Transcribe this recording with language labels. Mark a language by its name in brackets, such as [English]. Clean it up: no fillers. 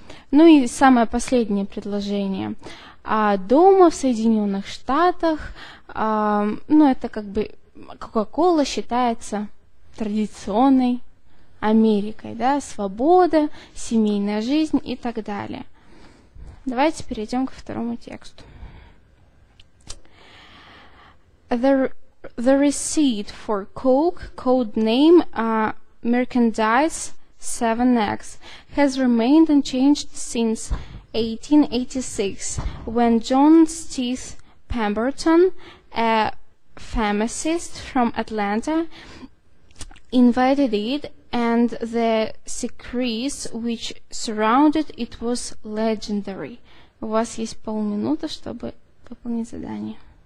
[Russian] Ну и самое последнее предложение. Дома в Соединенных Штатах, ну это как бы Coca-Cola считается традиционной Америкой, да, свобода, семейная жизнь и так далее. Давайте перейдем ко второму тексту. [English] The receipt for Coke, code name Merchandise 7X, has remained unchanged since 1886, when John Stith Pemberton, a pharmacist from Atlanta, invented it, and the secrets which surrounded it was legendary. [Russian] У вас есть полминуты, чтобы выполнить задание.